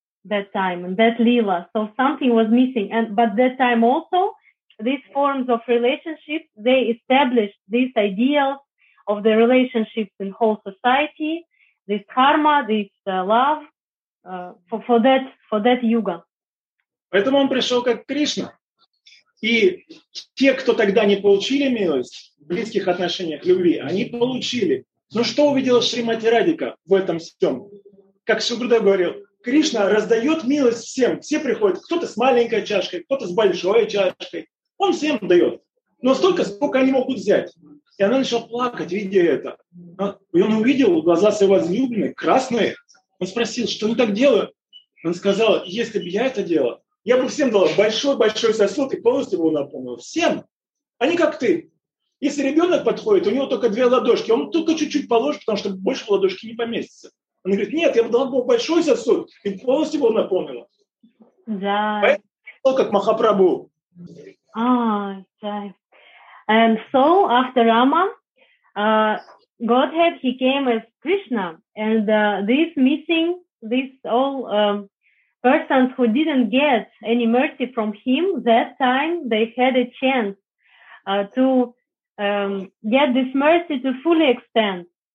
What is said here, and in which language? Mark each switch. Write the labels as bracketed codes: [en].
[en] That time and that Leela, so something was missing. And but that time also, these forms of relationships, they established these ideals of the relationships in whole society, this karma, this love for that yuga. [ru] Поэтому он пришел как Кришна, и те, кто тогда не получили милость в близких отношениях любви, они получили. Но что увидела Шримати Радика в этом всем? Как Шугрудев говорил. Кришна раздает милость всем. Все приходят, кто-то с маленькой чашкой, кто-то с большой чашкой. Он всем дает. Но столько, сколько они могут взять. И она начала плакать, видя это. И он увидел глаза своей возлюбленной, красные. Он спросил, что они так делают? Он сказал, если бы я это делал, я бы всем дал большой-большой сосуд и полностью бы его наполнил. Всем. А не как ты. Если ребенок подходит, у него только две ладошки, он только чуть-чуть положит, потому что больше ладошки не поместится. Она говорит, нет, я дал Богу большой сосуд, и полностью его наполнила. Да. Поэтому как Махапрабху. А, да. [en] And so, after Rama, Godhead, he came as Krishna, and this missing, this all persons who didn't get any mercy from him, that time they had a chance to get this mercy to fully extend.